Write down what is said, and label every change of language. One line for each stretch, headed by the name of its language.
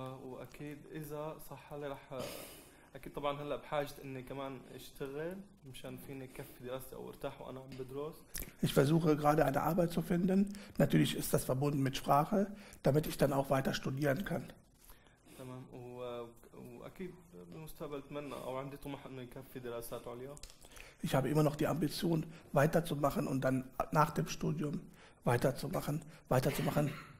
Arabic: وأكيد إذا صح لي رح أكيد طبعاً هلا بحاجة إني كمان أشتغل مشان فيني كفي دراستي أو ارتاح وأنا عم بدرس.
German: Ich versuche gerade eine Arbeit zu finden. Natürlich ist das verbunden mit Sprache, damit ich dann auch weiter studieren kann.
Arabic: تمام وأكيد بالمستقبل أتمنى أو عندي طموح إنه يكفي دراسات عليا.
German: Ich habe immer noch die Ambition, weiterzumachen und dann nach dem Studium weiterzumachen, weiterzumachen.